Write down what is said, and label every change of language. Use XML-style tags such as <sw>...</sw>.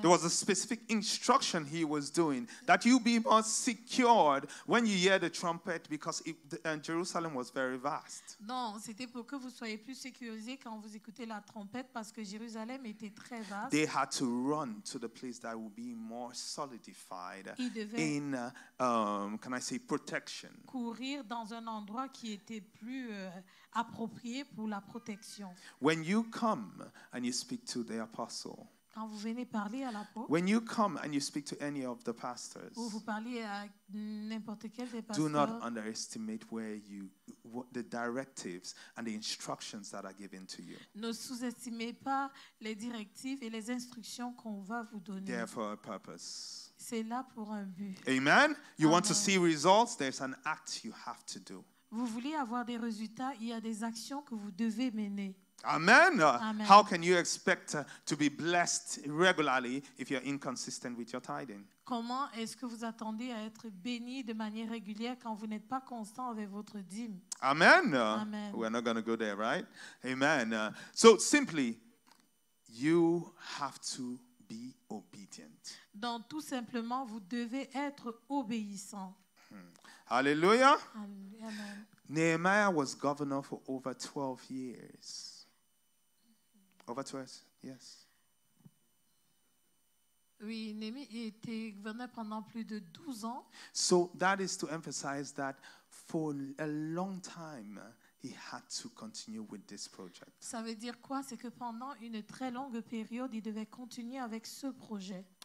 <en>There was a specific instruction he was doing that you be more secured when you hear the trumpet because Jerusalem was very vast.</en> <fr>Non, c'était pour que vous soyez plus sécurisés quand vous écoutez la trompette parce que Jérusalem était très vaste.</fr> <en>They had to run to the place that would be more solidified in, can I say, protection.</en> <fr>Courir dans un endroit qui était plus approprié pour la protection.</fr> <en>When you come and you speak to the apostle,</en> <fr>quand vous venez parler à l'apôtre,</fr> <en>when you come and you speak to any of the pastors,</en> <fr>ou vous parlez à n'importe quel des pasteurs,</fr> <en>do not underestimate where you, what the directives and the instructions that are given to you.</en> <fr>Ne sous-estimez pas les directives et les instructions qu'on va vous donner.</fr> <en>They're for a purpose.</en> <fr>C'est là pour un but.</fr> <en>Amen. You Amen. Want to see results? There's an act you have to do.</en> <fr>Vous voulez avoir des résultats, il y a des actions que vous devez mener.</fr> <en>Amen. Amen. How can you expect to be blessed regularly if you're inconsistent with your tithing?</en> <fr>Comment est-ce que vous attendez à être béni de manière régulière quand vous n'êtes pas constant avec votre dîme?</fr> <en>Amen. Amen. We're not going to go there, right? Amen. So simply, you have to be obedient.</en> <fr>Donc tout simplement, vous devez être obéissant.</fr> <en>Hallelujah. Nehemiah was governor for over 12 years. Over 12, yes.</en> <fr>Oui, Nehemiah était gouverneur pendant plus de 12 ans.</fr> <en>So that is to emphasize that for a long time, he had to continue with this project.</en> <fr>Ça veut dire quoi? C'est que pendant une très longue période, il devait continuer avec ce projet.</fr>